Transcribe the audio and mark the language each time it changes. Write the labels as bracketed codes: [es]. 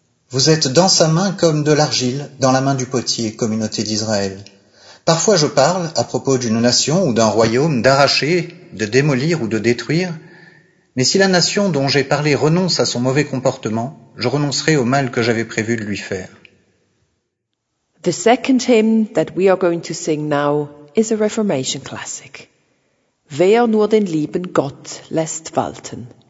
[fr] Vous êtes dans sa main comme de l'argile, dans la main du potier, communauté d'Israël. Parfois je parle à propos d'une nation ou d'un royaume, d'arracher, de démolir ou de détruire, mais si la nation dont j'ai parlé renonce à son mauvais comportement, je renoncerai au mal que j'avais prévu de lui faire. [en] The second hymn that we are going to sing now is a Reformation classic. [de] Wer nur den lieben Gott lässt walten.